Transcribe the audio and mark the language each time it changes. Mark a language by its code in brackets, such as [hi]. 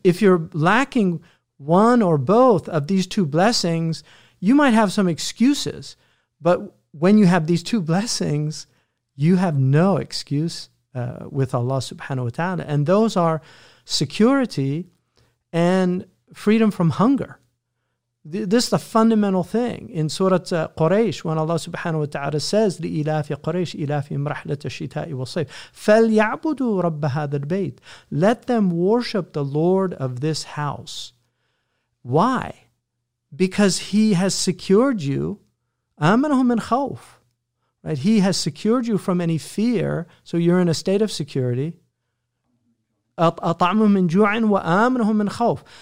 [en] If you're lacking one or both of these two blessings, you might have some excuses. But when you have these two blessings, you have no excuse with Allah subhanahu wa ta'ala. And those are security and freedom from hunger. This is the fundamental thing. In Surah Quraysh, when Allah subhanahu wa ta'ala says, [ar] لِإِلَافِ قُرَيْشِ إِلَافِهِمْ رَحْلَةَ الشِّتَاءِ وَالصَّيْفِ فَلْيَعْبُدُوا رَبَّ هَذَا الْبَيْتِ. [en] Let them worship the Lord of this house. Why? Because he has secured you. [ar] آمَنَهُمْ مِنْ خَوْفٍ. [en] Right? He has secured you from any fear, so you're in a state of security. [ar] أَطْعَمُهُمْ مِنْ جُوعٍ وَآمَنَهُمْ مِنْ خَوْفٍ.